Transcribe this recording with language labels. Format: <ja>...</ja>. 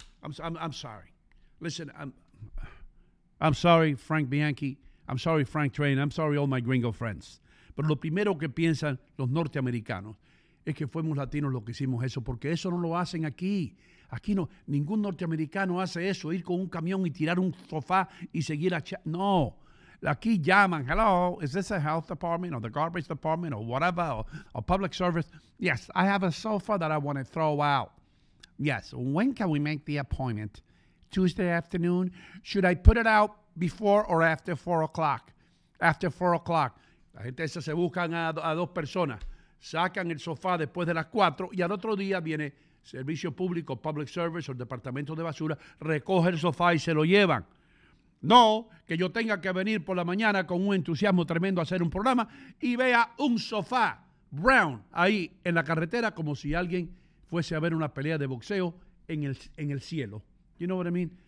<en>I'm sorry. Listen, I'm sorry, Frank Bianchi. I'm sorry, Frank Train. I'm sorry, all my gringo friends.</en> <es>Pero lo primero que piensan los norteamericanos es que fuimos latinos los que hicimos eso, porque eso no lo hacen aquí. Aquí no, ningún norteamericano hace eso, ir con un camión y tirar un sofá y seguir a... No, aquí llaman,</es> <en>hello, is this a health department or the garbage department or whatever, or public service? Yes, I have a sofa that I want to throw out. Yes, when can we make the appointment? Tuesday afternoon? Should I put it out before or after 4 o'clock? After 4 o'clock.</en> <es>La gente esa se buscan a dos personas, sacan el sofá después de las 4 y al otro día viene servicio público,</es> <en>public service</en> <es>o el departamento de basura, recoge el sofá y se lo llevan. No que yo tenga que venir por la mañana con un entusiasmo tremendo a hacer un programa y vea un sofá brown ahí en la carretera como si alguien fuese a ver una pelea de boxeo en el cielo.</es> <en>You know what I mean?</en>